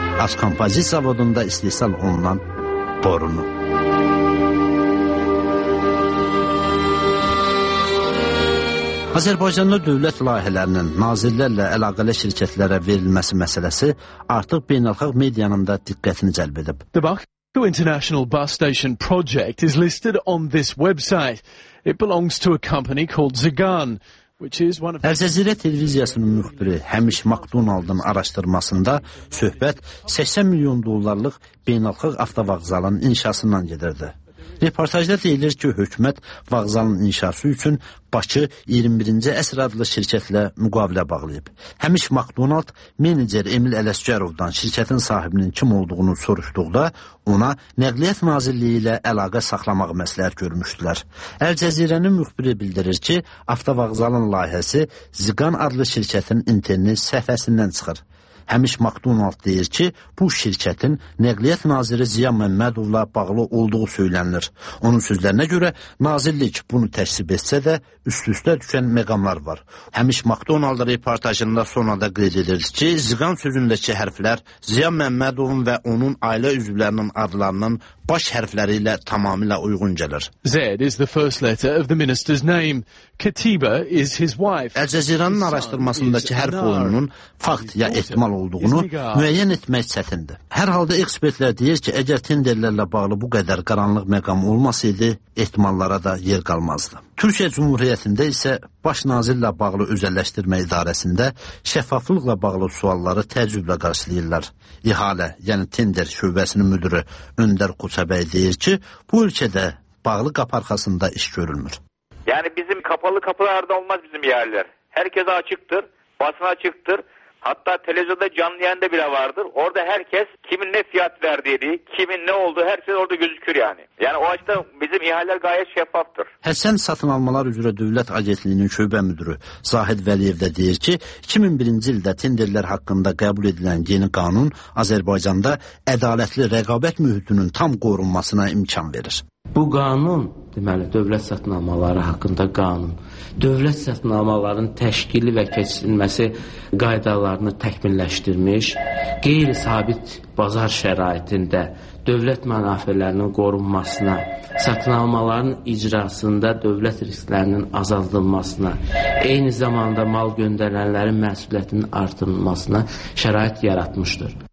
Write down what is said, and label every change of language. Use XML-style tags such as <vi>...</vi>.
<az>Askompozit zavodunda istehsal olunan borunu. Azərbaycanda dövlət layihələrinin nazirlərlə əlaqəli şirkətlərə verilməsi məsələsi artıq beynəlxalq medianın da diqqətini cəlb edib.</az> <en>The Baku International Bus Station project is listed on this website. It belongs to a company called Zigan.</en> <az>Əl-Cəzirə televiziyasının müxbiri Həmiş Makdonaldın araşdırmasında söhbət 80 milyon dollarlıq beynəlxalq avtovağzalın inşasından gedirdi. Reportajda deyilir ki, hökumət vağzalın inşası üçün Bakı 21-ci əsr adlı şirkətlə müqavilə bağlayıb. Həmiş Makdonald menecer Emil Ələsgərovdan şirkətin sahibinin kim olduğunu soruşduqda ona Nəqliyyat Nazirliyi ilə əlaqə saxlamaq məsləhət görmüşdülər. Əl-Cəzirənin müxbiri bildirir ki, avtovağzalın layihəsi Zigan adlı şirkətin internet səhifəsindən çıxır. Həmiş Makdonald deyir ki, bu şirkətin Nəqliyyat Naziri Ziya Məmmədovla bağlı olduğu söylənilir. Onun sözlərinə görə, nazirlik bunu təsdiq etsə də, üst-üstə düşən məqamlar var. Həmiş Makdonald reportajında sonada qeyd edir ki, Ziqan sözündəki hərflər Ziya Məmmədovun və onun ailə üzvlərinin adlarının baş hərfləri ilə tamamilə uyğun gəlir.</az> <en>Z is the first letter of the minister's name. Katiba is his wife.</en> <az>Əl-Cəzirənin araşdırmasındakı hərf oyununun fakt ya ehtimal olduğunu müəyyən etmək çətindir. Hər halda ekspertlər deyir ki, əgər tenderlərlə bağlı bu qədər qaranlıq məqam olmasaydı, ehtimallara da yer qalmazdı. Türkiyə Cumhuriyyətində isə Baş Nazirlə bağlı özəlləşdirmə idarəsində şəffaflıqla bağlı sualları təəccüblə qarşılayırlar. İhalə, yəni tender şöbəsinin müdürü Öndər Qoçabəy deyir ki, bu ölkədə bağlı qapı arxasında iş görülmür.</az> <tr>Yəni bizim kapalı kapılarda olmaz bizim yerlər. Hər kəs açıqdır, basın açıqdır. Hatta televizyonda canlı yayın da bile vardır. Orada herkes kimin ne fiyat verdiği, kimin ne olduğu her şey orada gözükür yani. Yani o açıdan bizim ihaleler gayet şeffaftır.</tr> <az>Həsən Satın Almalar Üzrə Dövlət Agentliyinin şöbə müdürü Zahid Vəliyev də deyir ki, 2001-ci ildə tenderlər haqqında qəbul edilən yeni qanun Azərbaycanda ədalətli rəqabət mühitinin tam qorunmasına imkan verir. Bu qanun, deməli, dövlət satınamaları haqqında qanun, dövlət satınamaların təşkili və keçirilməsi qaydalarını təkmilləşdirmiş, qeyri-sabit bazar şəraitində dövlət mənafələrinin qorunmasına, satınamaların icrasında dövlət risklərinin azaldılmasına, eyni zamanda mal göndərənlərin məsuliyyətinin artırılmasına şərait yaratmışdır.</az>